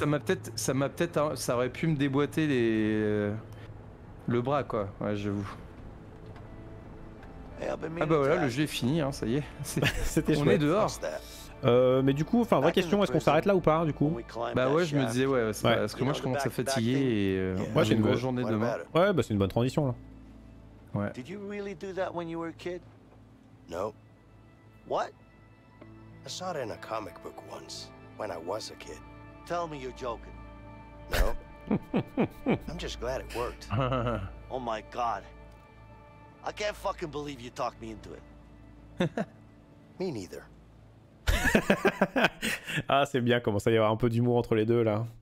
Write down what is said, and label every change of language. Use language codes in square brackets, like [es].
[fr] Ça m'a peut-être. Hein, ça aurait pu me déboîter les. Le bras, quoi. Ouais, j'avoue. Ah, bah voilà, le jeu est fini, hein, ça y est. C'était on chouette. Est dehors. Mais du coup, enfin, vraie question, est-ce qu'on s'arrête là ou pas, du coup? Bah ouais, je me disais, ouais, c'est ouais. Pas, parce que moi, je commence à fatiguer et. Ouais, j'ai une grosse journée demain. Ouais, bah c'est une bonne transition, là. Ouais. [en] Did you really do that when you were a kid? No. What? I saw it in a comic book once, when I was a kid. Tell me you're joking. No. I'm just glad it worked. Oh my god. I can't fucking believe you talked me into it. Me neither. [fr] Ah, c'est bien, commence à y avoir un peu d'humour entre les deux là.